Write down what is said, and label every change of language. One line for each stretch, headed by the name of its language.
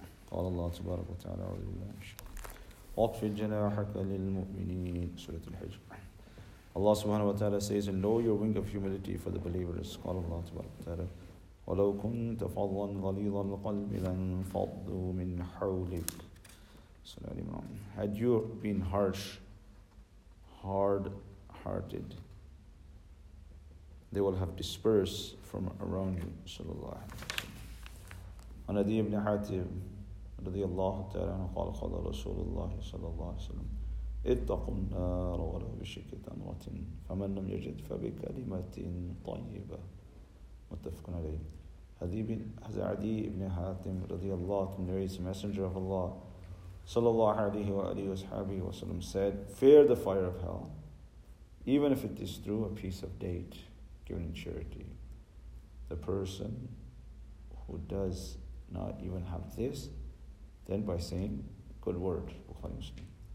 Arabic: قال الله تبارك وتعالى أعوذ بالله من الشيطان واخفض جناحك للمؤمنين سورة الحج.
English: Allah subhanahu wa ta'ala says, and lower your wing of humility for the believers.
Arabic: قال الله تبارك وتعالى ولو كنت فظا غليظ القلب لانفضوا من حولك. صلى الله عليه وسلم.
English: Had you been harsh, hard-hearted, they will have dispersed from around you.
Arabic: صلى الله عليه وسلم. عن أبي بن حاتم رضي الله تعالى عنه قال قال رسول الله صلى الله عليه وسلم اتقوا النار ولو بشق تمرة فمن لم يجد فبكلمة طيبة. متفق عليه. هذا عدي بن حاتم رضي الله عنه
English: narrates the messenger of Allah
Arabic: صلى الله عليه وآله وصحبه وسلم
English: said, fear the fire of hell, even if it is through a piece of date given in charity. The person who does not even have this, then by saying good word. Bukhari Muslim.